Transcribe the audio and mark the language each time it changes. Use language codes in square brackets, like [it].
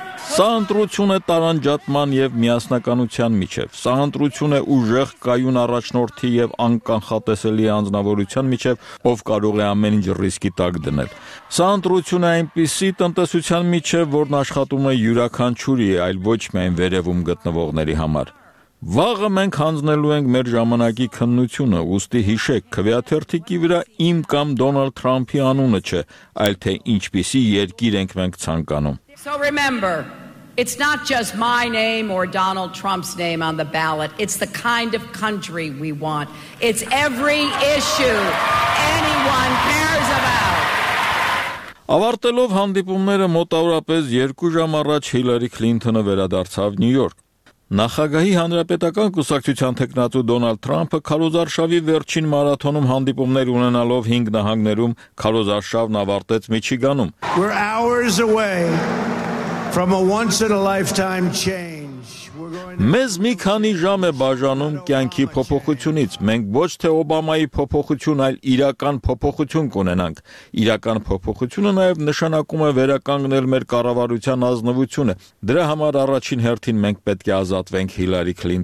[hy] Սա ընտրություն է տարանջատման և միասնականության միջև, սա ընտրություն է ուժեղ կայուն առաջնորդի և անկանխատեսելի անձնավորության միջև, ով կարող է ամեն ինչ ռիսկի տակ դնել։ Սա ընտրություն է այնպիսի տնտեսության միջև, որն աշխատում է յուրաքանչյուրի, այլ ոչ միայն վերևում գտնվողների համար։ Վաղը մենք հանձնելու ենք մեր ժամանակի քննությունը, ուստի հիշեք, քվեաթերթիկի վրա իմ կամ Դոնալդ Թրամփի անունը չէ, այլ թե ինչպիսի երկիր ենք մենք ցանկանում։ [en] So remember, it's not just my name or Donald Trump's name on the ballot, it's the kind of country we want. It's every issue anyone cares about. [hy] Ավարտելով հանդիպումները մոտավորապես 2 ժամ առաջ Հիլարի Քլինտոնը վերադարձավ Նյու Յորք։ Նախագահի հանրապետական կուսակցության թեկնածու Դոնալդ Թրամփը քարոզարշավի վերջին մարաթոնում հանդիպումներ ունենալով 5 նահանգներում քարոզարշավն ավարտեց Միչիգանում. [en] We're hours away from a once in a lifetime change. [hy] Մեզ մի քանի ժամ է բաժանում կյանքի փոփոխությունից։ Մենք ոչ թե Օբամայի փոփոխություն, այլ իրական փոփոխություն կունենանք։ Իրական փոփոխությունը նաև նշանակում է վերականգնել մեր կառավարության ազնվությունը։ Դրա համար առաջին հերթին մենք պետք է ազատվենք Հիլարի